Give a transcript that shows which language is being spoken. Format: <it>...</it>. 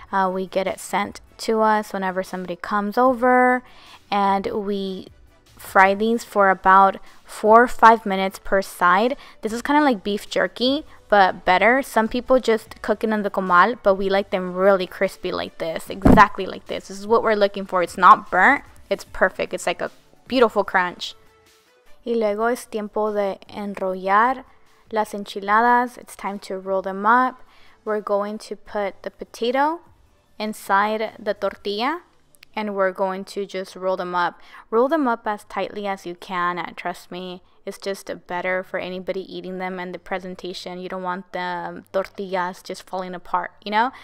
<en>We get it sent to us whenever somebody comes over, and we fry these for about 4 or 5 minutes per side. This is kind of like beef jerky, but better. Some people just cook it in the comal, but we like them really crispy like this, exactly like this. This is what we're looking for. It's not burnt. It's perfect. It's like a beautiful crunch.</en> <es>Y luego es tiempo de enrollar las enchiladas.</es> <en>It's time to roll them up. We're going to put the potato inside the tortilla and we're going to just roll them up. Roll them up as tightly as you can. Trust me, it's just better for anybody eating them and the presentation. You don't want the tortillas just falling apart, you know?</en>